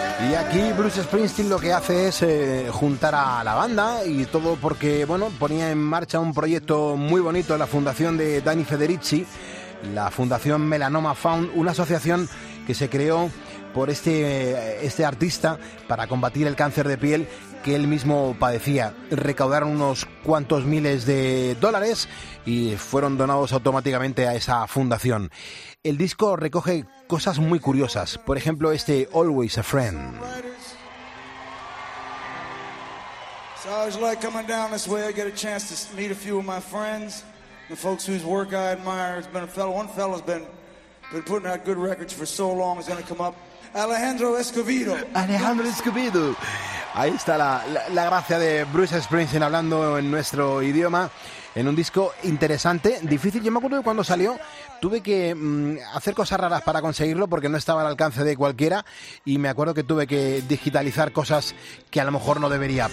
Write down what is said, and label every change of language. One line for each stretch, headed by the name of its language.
Spanish: Y aquí Bruce Springsteen lo que hace es juntar a la banda, y todo porque, bueno, ponía en marcha un proyecto muy bonito en la fundación de Danny Federici, la fundación Melanoma Found, una asociación que se creó por este artista para combatir el cáncer de piel que él mismo padecía. Recaudaron unos cuantos miles de dólares y fueron donados automáticamente a esa fundación. El disco recoge cosas muy curiosas, por ejemplo este Always a Friend.
English: So I was like coming down this way, I get a chance to meet a few of my friends, the folks whose work I admire. It's been a fellow, one fellow's been been putting out good records for so long is going to come up. Alejandro Escovedo. Alejandro Escovedo.
Spanish: Ahí está la gracia de Bruce Springsteen hablando en nuestro idioma. En un disco interesante, difícil. Yo me acuerdo que cuando salió tuve que hacer cosas raras para conseguirlo porque no estaba al alcance de cualquiera. Y me acuerdo que tuve que digitalizar cosas que a lo mejor no debería.